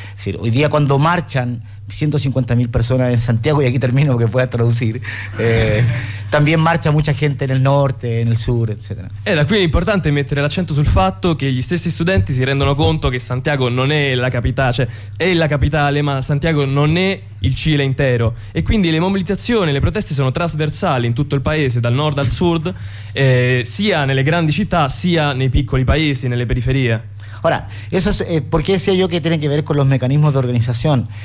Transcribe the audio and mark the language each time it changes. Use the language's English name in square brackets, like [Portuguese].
[Spanish] Es decir, hoy día cuando marchan 150.000 personas en Santiago, y aquí termino que pueda traducir, también marcha mucha gente en el norte, en el sur, etcétera. [Italian] Da qui è importante mettere l'accento sul fatto che gli stessi studenti si rendono conto che Santiago non è la capitale, cioè è la capitale, ma Santiago non è il Cile intero, e quindi le mobilitazioni, le proteste sono trasversali in tutto il paese, dal nord al sud, sia nelle grandi città sia nei piccoli paesi, nelle periferie. [Spanish] Ahora, ¿por qué decía yo que tiene que ver con los mecanismos de organización?